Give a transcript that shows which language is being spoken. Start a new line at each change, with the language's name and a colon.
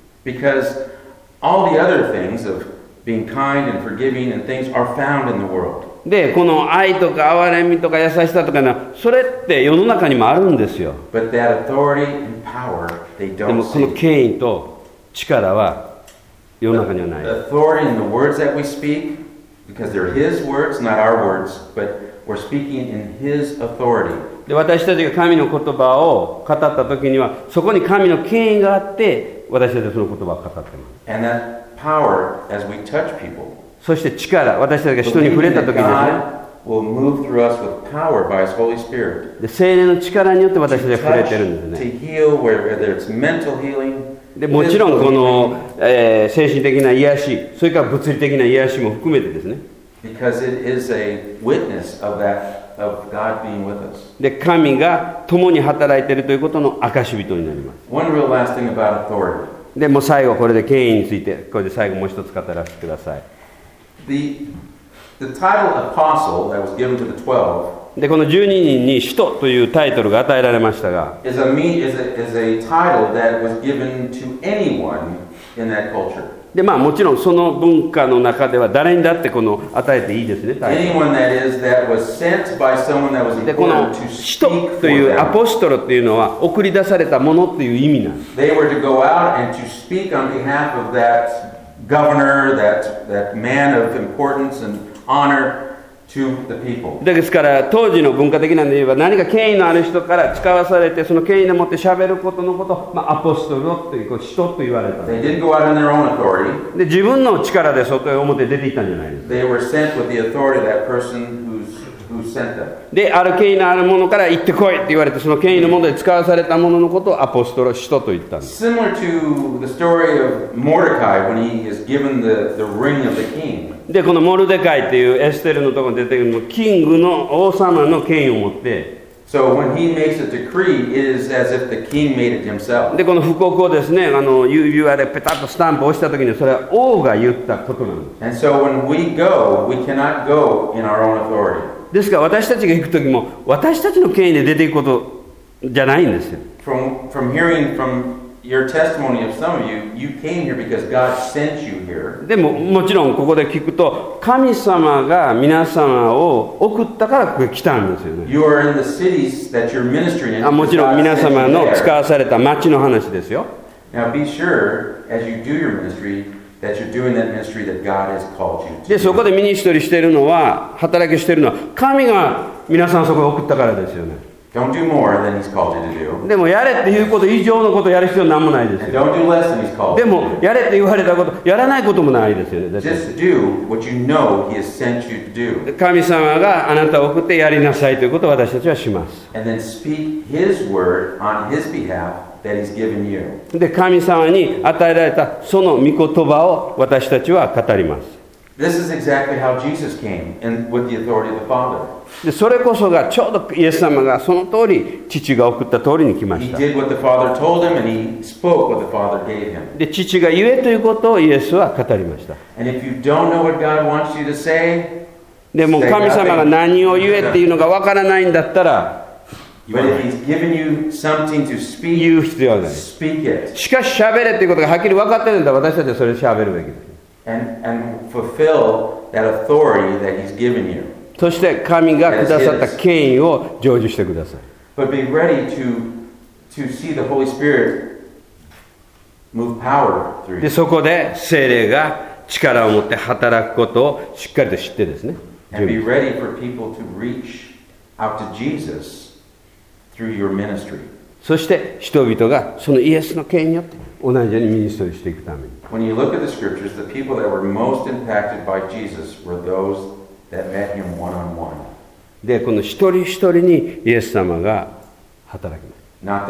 English: Because all the other things of being kind and forgiving and things are found in the world.
Japanese: で、この愛とか憐れみとか優しさとかな、それって世の中にもあるんですよ。
English: But that authority and power, they don't see.
Japanese: でもこの権威と力は世の中にはない。
English: The authority in the words that we speak. Because they're His words, not our words, but we're speaking in His authority.
Japanese: で私たちが神の言葉を語った時には、そこに神の権威があって、私たちはその言葉を語っています。
English: And that power, as we touch people,
Japanese: そして力、私たちが人に触れた時ですね。
English: Will move through us with power by His Holy Spirit.
Japanese: で聖霊の力によって私たちは触れてるんですね。
English: To heal, whether it's mental healing.
Japanese: でもちろんこの、精神的な癒し、それから物理的な癒しも含めてですね。
English: Because it is a witness of that, of God being with us.
Japanese: で、神が共に働いているということの証し人になります。
English: One real last thing about authority.
Japanese: で、もう最後これで権威について、これで最後もう一つ語らせてください。
English: The title apostle that was given to the 12.
Japanese: で、この12人に使徒というタイトルが与えられましたが、
English: is a title that was given to anyone in that culture.
Japanese: で、まあもちろんその文化の中では誰にだってこの与えていいですね。
English: Anyone that is that was sent by someone that was appointed to speak for them.
Japanese: で、この使徒というアポストロというのは送り出されたものという意味なんです。
English: They were to go out and to speak on behalf of that governor, that man of importance and honor. To the people.
Japanese: ですから当時の文化的なんで言えば何か権威のある人から使わされてその権威でもって喋ることのこと、まあ、アポストルという人と言われた。
English: They didn't go out on their own authority.
Japanese: で自分の力で外へ表へ出ていったんじゃないですか。
English: They were sent with the authority of that person who sent them.
Japanese: である権威のあるものから行ってこいって言われてその権威のもので使わされたもののことをアポストル人と言ったんです。
English: Similar to the story of Mordecai when he is given the ring of the king.
Japanese: でこのモルデカイというエステルのところに出てくるのキングの王様の権威を持って
English: So when he makes a decree, it is as if the king made it himself.
Japanese: でこの布告をですね指輪でペタッとスタンプを押した時にそれは王が言ったことなんです
English: And so when we go, we cannot go in our own authority.
Japanese: ですから私たちが行く時も私たちの権威で出ていくことじゃないんですよ
English: from hearing fromYour testimony of some of you, you came here because God sent you here.
Japanese: でももちろんここで聞くと神様が皆様を送ったからここに来たんですよね。
English: You are in the cities that you're ministering in.
Japanese: もちろん皆様の使わされた町の話ですよ。
English: Now be sure as you do your ministry that you're doing that ministry that God has called you to.
Japanese: でそこでミニストリーしているのは働きしているのは神が皆さんそこに送ったからですよね。
English: Don't do more than he's called you to do.
Japanese: でもやれっていうこと以上のことをやる必要なんもないですよ。
English: And don't do less than he's called you to do.
Japanese: でもやれって言われたことやらないこともないですよね。
English: Just do what you know he has sent you to do.
Japanese: 神様があなたを送ってやりなさいということを私たちはします。
English: And then speak his word on his behalf that he's given you.
Japanese: で神様に与えられたその御言葉を私たちは語ります。
English: This is exactly how Jesus came and with the authority of the Father.
Japanese: でそれこそがちょうどイエス様がその通り父が送った通りに来ました。
English: He did what the Father told him and he spoke what the Father gave him.
Japanese: で父が言えということをイエスは語りました。
English: And if you don't know what God wants you to say,
Japanese: でも神様が何を言えっていうのがわからないんだったら、
English: But if he's given you something to speak,
Japanese: 言う必要ない。
English: Speak it.
Japanese: しかし喋れっていうことがはっきり分かってるんだ私たちはそれ喋るべきです。
English: And fulfill that authority that he's given you.
Japanese: そして神がくださった権威を成就してください。
English: But be ready to see the Holy Spirit move power through.
Japanese: でそこで聖霊が力を持って働くことをしっかりと知ってですね。
English: And be ready for people to reach out to Jesus through your ministry.
Japanese: そして人々がそのイエスの権威によって同じようにミニストリーしていくために。
English: When you look at the scriptures, the people that were most impacted by Jesus were those that met him one-on-one.
Japanese: で、この一人一人にイエス様が働きます。